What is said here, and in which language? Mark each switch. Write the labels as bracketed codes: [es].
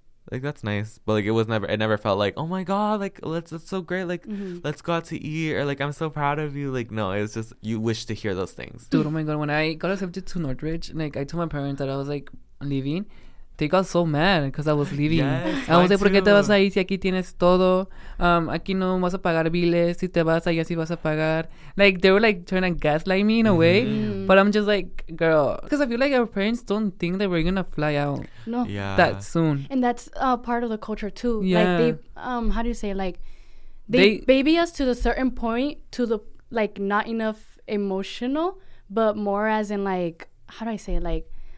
[en] Like that's nice, but like it never felt like, oh my god, like that's so great, like let's go out to eat, or like I'm so proud of you. Like no, it's just you wish to hear those things. Dude, oh my god, when I got accepted to Northridge, like I told my parents that I was like leaving, they got so mad because I was leaving. Yes, [es] I was like, ¿por qué te vas a ir si aquí tienes todo? [en] Aquí no vas a pagar biles. [es] Si te vas allá sí vas a pagar. [en] Like they were like trying to gaslight me in a way. But I'm just like, girl, because I feel like our parents don't think that we're gonna fly out. No, yeah, that soon. And that's part of the culture too. Yeah. Like they, how do you say, like they baby us to the certain point, to the like not enough emotional, but more as in like, how do I say, like